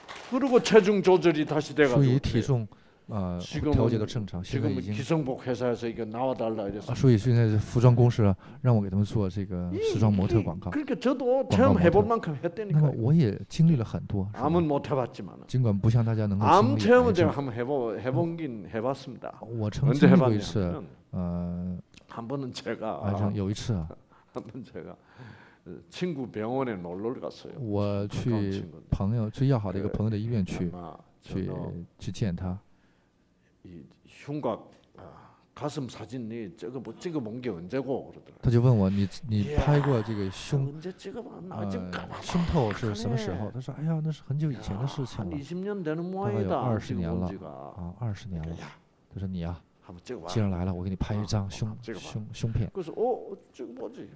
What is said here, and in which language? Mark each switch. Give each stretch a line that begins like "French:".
Korean: 그리고체중조절이다시돼가지고
Chinese: 所以体重调节都正常，现在已经
Korean: 기성복회사에서이거나와달라이랬어
Chinese: 所以现在是服装公司让我给他们做这个时装模特广告。
Korean: 그러니까저도체험해볼만큼했대니까
Chinese: 那么我也经历了很多。
Korean: 암은못해봤지만
Chinese: 尽管不像大家能够经历。
Korean: 암체험은제가한번해본긴해봤습니다
Chinese: 我曾经经历过一次。
Korean: 한번은제가
Chinese: 癌症有一次。
Korean: 한번제가친구병원에놀러갔어요
Chinese: 我去朋友最要好的一个朋友的医院去见他。
Korean: 이흉곽가슴사진이저거뭐찍어본게언제고그러더라
Chinese: 他就问我你拍过这个胸
Korean: 언제찍어봤나지금
Chinese: 胸透是什么时候他说哎呀那是很久以前的事情了
Korean: 20년되는모양이다
Chinese: 大概有20年了啊20年了他说你呀既然来了我给你拍一张胸片
Korean: 그래서찍어보지